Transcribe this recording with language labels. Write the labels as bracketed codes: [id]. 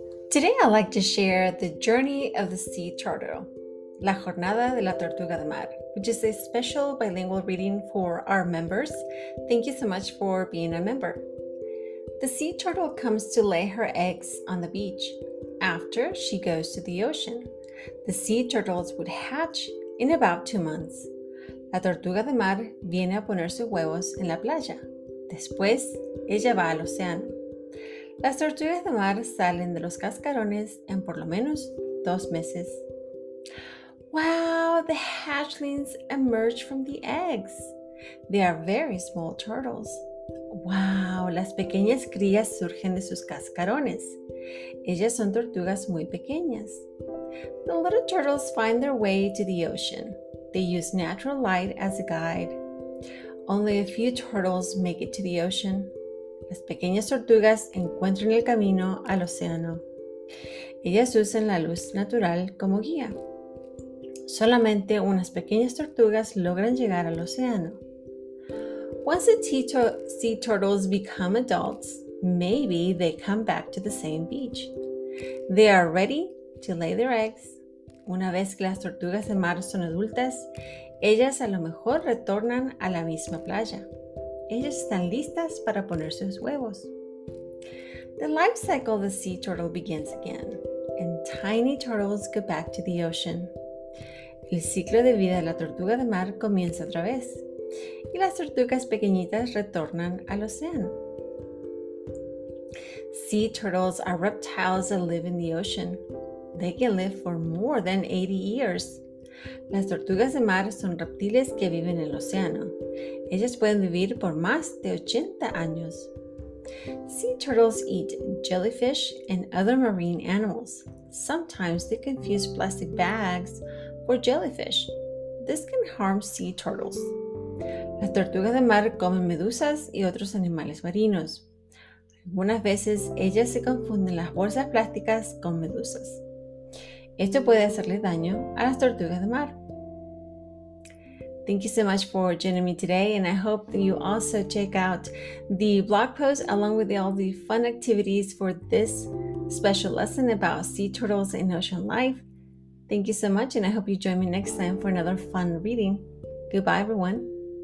[en] Today I'd like to share The Journey of the Sea Turtle, La Jornada de la Tortuga de Mar, which is a special bilingual reading for our members. Thank you so much for being a member. The sea turtle comes to lay her eggs on the beach. After, she goes to the ocean. The sea turtles would hatch in about 2 months. [es] La tortuga de mar viene a poner sus huevos en la playa. Después, ella va al océano. Las tortugas de mar salen de los cascarones en por lo menos 2 meses. [en] Wow, the hatchlings emerge from the eggs. They are very small turtles. [es] Wow, las pequeñas crías surgen de sus cascarones. Ellas son tortugas muy pequeñas. [en] The little turtles find their way to the ocean. They use natural light as a guide. Only a few turtles make it to the ocean. [es] Las pequeñas tortugas encuentran el camino al océano. Ellas usan la luz natural como guía. Solamente unas pequeñas tortugas logran llegar al océano. [en] Once the sea turtles become adults, maybe they come back to the same beach. They are ready to lay their eggs. [es] Una vez que las tortugas de mar son adultas, ellas a lo mejor retornan a la misma playa. Ellas están listas para poner sus huevos. [en] The life cycle of the sea turtle begins again, and tiny turtles go back to the ocean. [es] El ciclo de vida de la tortuga de mar comienza otra vez. Y las tortugas pequeñitas retornan al océano. [en] Sea turtles are reptiles that live in the ocean. They can live for more than 80 years. [es] Las tortugas de mar son reptiles que viven en el océano. Ellas pueden vivir por más de 80 años. [en] Sea turtles eat jellyfish and other marine animals. Sometimes they confuse plastic bags for jellyfish. This can harm sea turtles. [es] Las tortugas de mar comen medusas y otros animales marinos. Algunas veces ellas se confunden las bolsas plásticas con medusas. Esto puede hacerle daño a las tortugas de mar. [en] Thank you so much for joining me today, and I hope that you also check out the blog post along with all the fun activities for this special lesson about sea turtles and ocean life. Thank you so much, and I hope you join me next time for another fun reading. Goodbye, everyone.